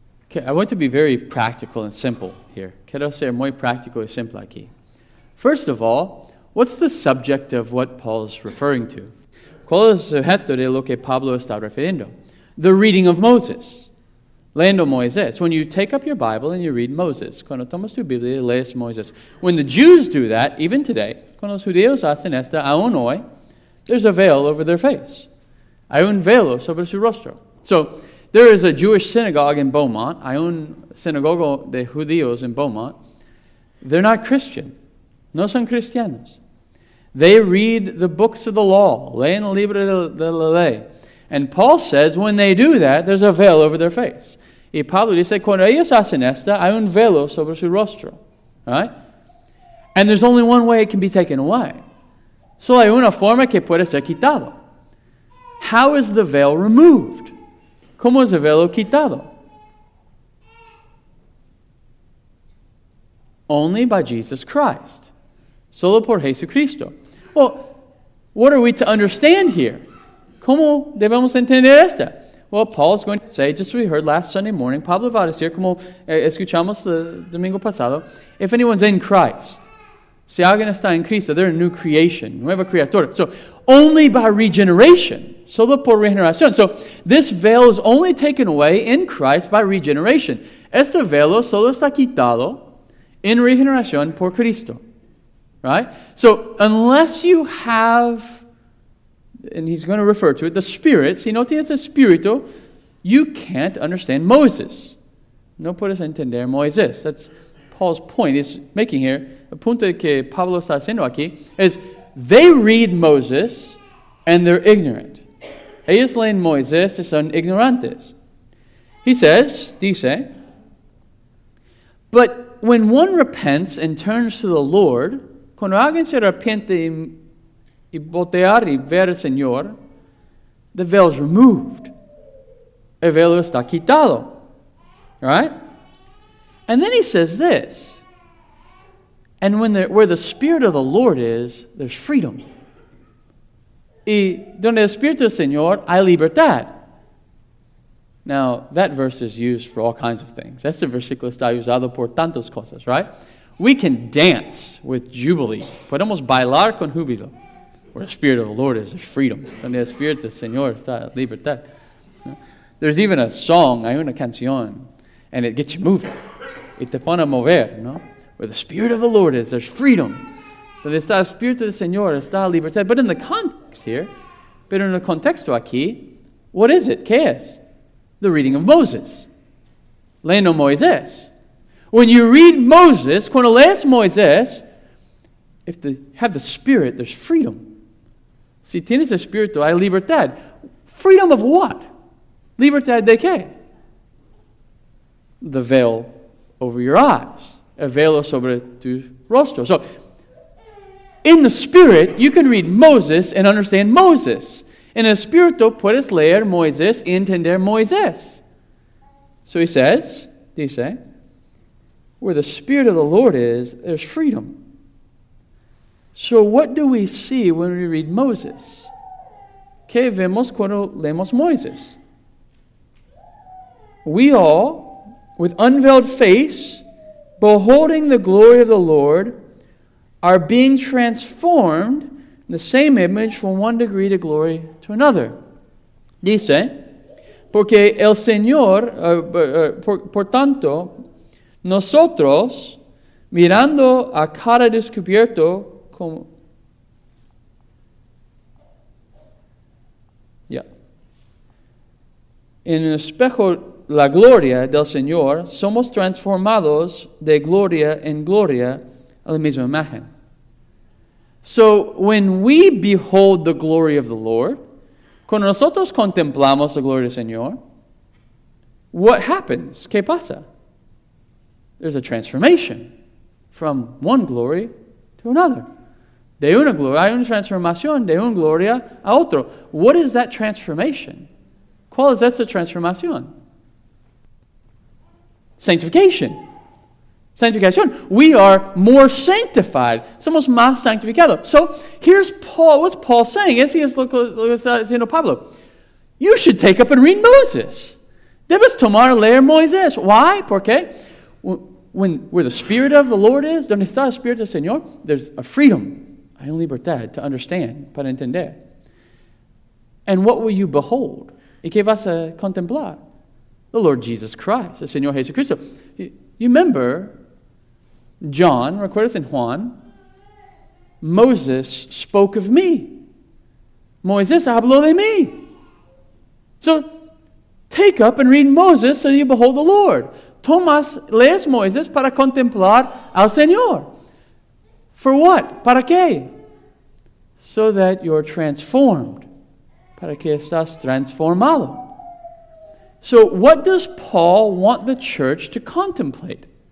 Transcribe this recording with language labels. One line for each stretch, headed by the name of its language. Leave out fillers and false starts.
English: Okay, I want to be very practical and simple here.
Spanish: Quiero ser muy práctico y simple aquí.
English: First of all, what's the subject of what Paul's referring to?
Spanish: ¿Cuál es el sujeto de lo que Pablo está refiriendo?
English: The reading of Moses.
Spanish: Leyendo Moisés.
English: When you take up your Bible and you read Moses.
Spanish: Cuando tomas tu Biblia y lees Moisés.
English: When the Jews do that, even today,
Spanish: cuando los judíos hacen esto, aún hoy,
English: there's a veil over their face.
Spanish: Hay un velo sobre su rostro.
English: So, there is a Jewish synagogue in Beaumont.
Spanish: Hay un sinagogo de judíos
English: in Beaumont. They're not Christian.
Spanish: No son cristianos.
English: They read the books of the law.
Spanish: Leen el libro de la ley.
English: And Paul says when they do that, there's a veil over their face.
Spanish: Y Pablo dice, cuando ellos hacen esto, hay un velo sobre su rostro.
English: Right? And there's only one way it can be taken away.
Spanish: Solo hay una forma que puede ser quitado.
English: How is the veil removed?
Spanish: ¿Cómo es el velo quitado?
English: Only by Jesus Christ.
Spanish: Solo por Jesucristo.
English: Well, what are we to understand here?
Spanish: ¿Cómo debemos entender esto?
English: Well, Paul is going to say, just as we heard last Sunday morning,
Spanish: Pablo va a decir, como escuchamos el domingo pasado,
English: if anyone's in Christ,
Spanish: si alguien está en Cristo,
English: they're a new creation,
Spanish: nueva criatura.
English: So, only by regeneration.
Spanish: Solo por regeneración.
English: So, this veil is only taken away in Christ by regeneration.
Spanish: Este velo solo está quitado en regeneración por Cristo.
English: Right? So, unless you have, and he's going to refer to it, the Spirit,
Spanish: si no tienes Espíritu,
English: you can't understand Moses.
Spanish: No puedes entender Moisés.
English: That's Paul's point he's making here.
Spanish: El punto que Pablo está haciendo aquí
English: is they read Moses and they're ignorant.
Spanish: Ellos leen Moisés y son ignorantes.
English: He says, dice, but when one repents and turns to the Lord,
Spanish: cuando alguien se arrepiente y voltear y ver al Señor,
English: the veil is removed.
Spanish: El velo está quitado. Right?
English: And then he says this, and when where the Spirit of the Lord is, there's freedom.
Spanish: Y donde el Espíritu del Señor, hay libertad.
English: Now, that verse is used for all kinds of things.
Spanish: Ese versículo está usado por tantas cosas,
English: right? We can dance with jubilee.
Spanish: Podemos bailar con júbilo.
English: Where the Spirit of the Lord is, there's freedom.
Spanish: Donde el Espíritu del Señor está libertad.
English: There's even a song,
Spanish: hay una canción,
English: and it gets you moving.
Spanish: Y te pone a mover, no?
English: Where the Spirit of the Lord is, there's freedom.
Spanish: Donde está el Espíritu del Señor, está libertad.
English: But in the context here,
Spanish: pero en el contexto aquí,
English: what is it?
Spanish: ¿Qué es?
English: The reading of Moses.
Spanish: Leyendo Moisés.
English: When you read Moses,
Spanish: cuando lees Moisés,
English: if you have the Spirit, there's freedom.
Spanish: Si tienes el Espíritu, hay libertad.
English: Freedom of what?
Spanish: Libertad de qué?
English: The veil over your eyes.
Spanish: El velo sobre tu rostro.
English: So, in the Spirit, you can read Moses and understand Moses.
Spanish: En el Espíritu, puedes leer Moisés y entender Moisés.
English: So he says, dice, where the Spirit of the Lord is, there's freedom. So what do we see when we read Moses?
Spanish: ¿Qué vemos cuando leemos Moisés?
English: We all, with unveiled face, beholding the glory of the Lord, are being transformed in the same image from one degree of glory to another.
Spanish: Dice, porque el Señor, por tanto, nosotros, mirando a cara descubierto, como, en el espejo la gloria del Señor, somos transformados de gloria en gloria a la misma imagen.
English: So, when we behold the glory of the Lord,
Spanish: cuando nosotros contemplamos la gloria del Señor,
English: what happens?
Spanish: ¿Qué pasa?
English: There's a transformation from one glory to another.
Spanish: De una gloria, hay una transformación de una gloria a otro.
English: What is that transformation?
Spanish: ¿Cuál es esa transformación?
English: Sanctification. Sanctification. We are more sanctified.
Spanish: Somos más sanctificados.
English: So, here's Paul. What's Paul saying?
Spanish: Así es lo que está diciendo Pablo.
English: You should take up and read Moses.
Spanish: Debes tomar leer Moisés.
English: Why?
Spanish: ¿Por qué?
English: When where the Spirit of the Lord is,
Spanish: donde está el Espíritu del Señor,
English: there's a freedom.
Spanish: Hay una libertad
English: to understand,
Spanish: para entender. And what will you behold? ¿Y qué vas a contemplar?
English: The Lord Jesus Christ,
Spanish: el Señor Jesucristo.
English: You remember John,
Spanish: recuerdas en Juan,
English: Moses spoke of me.
Spanish: Moisés habló de mí.
English: So, take up and read Moses so you behold the Lord.
Spanish: Tomas, lees Moisés para contemplar al Señor.
English: For what?
Spanish: ¿Para qué?
English: So that you're transformed.
Spanish: Para que estás transformado.
English: So, what does Paul want the church to contemplate?